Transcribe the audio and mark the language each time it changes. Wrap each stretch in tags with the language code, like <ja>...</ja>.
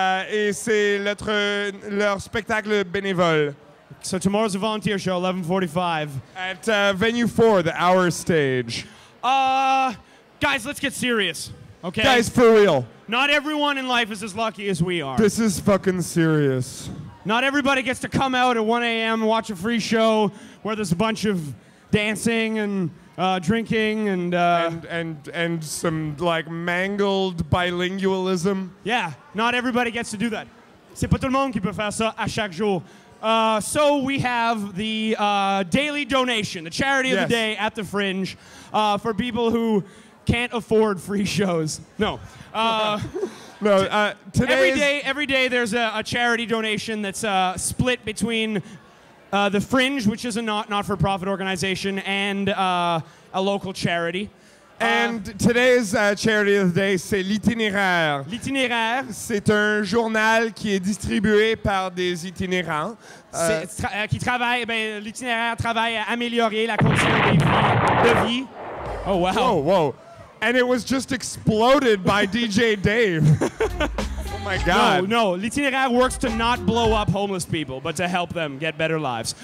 <fr>et c'est leur spectacle bénévole.</fr> <en>So tomorrow's a volunteer show, 11:45. At Venue 4, the Hour Stage. Guys, let's get serious, okay? Guys, for real. Not everyone in life is as lucky as we are. This is fucking serious. Not everybody gets to come out at 1 a.m. and watch a free show where there's a bunch of dancing and drinking and... And some, like, mangled bilingualism. Yeah, not everybody gets to do that.</en> <fr>C'est pas tout le monde qui peut faire ça à chaque jour.</fr> <en>So we have the daily donation, the charity of the day at the Fringe for people who... can't afford free shows. No. Today every day there's a charity donation that's split between the Fringe, which is a not-for-profit organization, and a local charity. And today's charity of the day,</en> <fr>c'est l'itinéraire. L'itinéraire. C'est un journal qui est distribué par des itinérants. L'itinéraire travaille à améliorer la condition de vie.</fr> <en>Oh, wow. Whoa. And it was just exploded by DJ Dave. Oh my God. No, l'itinéraire works to not blow up homeless people, but to help them get better lives.</en>